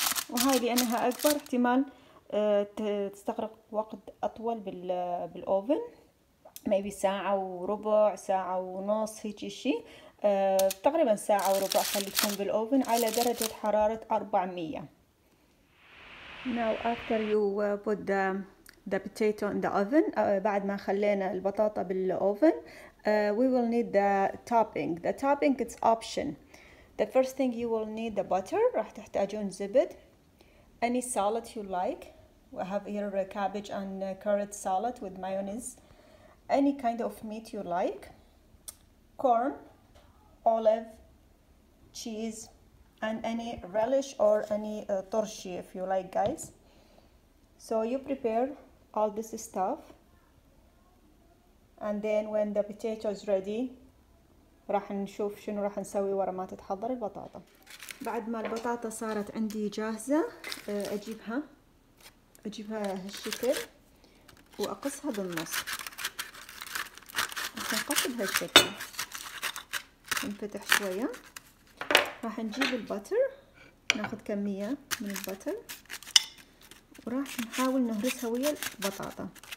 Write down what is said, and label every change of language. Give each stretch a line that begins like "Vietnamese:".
Arabic: وهاي لأنها أكبر احتمال تستغرق وقت أطول بالأوفن، ماي ساعة وربع، ساعة ونص، هيجي شي تقريبا ساعة وربع خليكم بالأوفن على درجة حرارة 400.
English: Now after you put the potato in the oven،
Arabic: بعد ما خلينا البطاطا بالأوفن،
English: we will need the topping. The topping it's option. The first thing you will need the butter.
Arabic: راح تحتاجون زبد.
English: Any salad you like. We have here a cabbage and carrot salad with mayonnaise. Any kind of meat you like. Corn. Olive, cheese, and any relish or any torshi if you like, guys. So you prepare all this stuff, and then when the potato is ready,
Arabic: راح نشوف شنو راح نسوي ورا ما تتحضر البطاطا. بعد ما البطاطا صارت عندي جاهزة، أجيبها هالشكل وأقصها بالنص. أقص بهالشكل. نفتح شوية، راح نجيب البتر، ناخذ كمية من البتر وراح نحاول نهرسها ويا البطاطا.